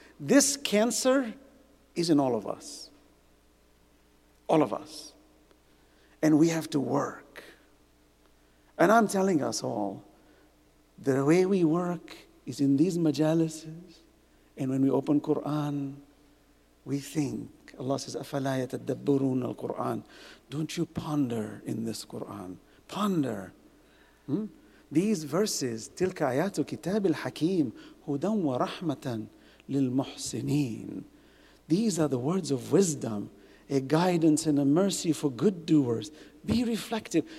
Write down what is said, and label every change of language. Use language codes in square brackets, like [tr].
[en] This cancer is in all of us. All of us. And we have to work. And I'm telling us all, the way we work is in these majalises. And when we open Quran, we think. Allah says, [ar] أَفَلَا يَتَدَّبُّرُونَ الْقُرْآنَ. [en] Don't you ponder in this Quran. Ponder. [ar] These verses, تِلْكَ آيَاتُ كِتَابِ الْحَكِيمِ هُدًى وَرَحْمَةً لِلْمُحْسِنِينَ. [en] These are the words of wisdom a guidance and a mercy for good doers. Be reflective.